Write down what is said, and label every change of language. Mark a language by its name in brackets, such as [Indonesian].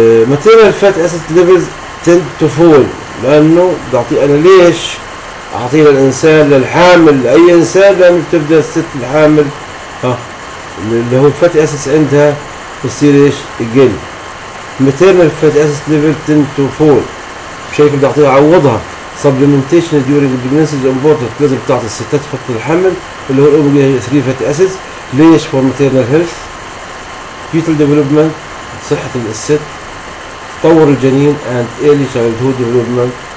[English] material fat acid levels tend to fall [Arabic] لانه بعطي انا ليش اعطيه للانسان للحامل لاي انسان، لانه بتبدا الست الحامل اللي هو الفاتي اسيدز عندها بصير ايش يقل. [English] maternal fatty acids level tend to fall، [Arabic] بشكل بدي اعطيها اعوضها. [English] supplementation during pregnancy is important، [Arabic] لازم تعطي الستات فتره الحمل اللي هو الاوميجا 3 فاتي اسيدز. ليش؟ [English] for maternal health، fetal development [Arabic] صحه الست، تطور الجنين [English] and early childhood development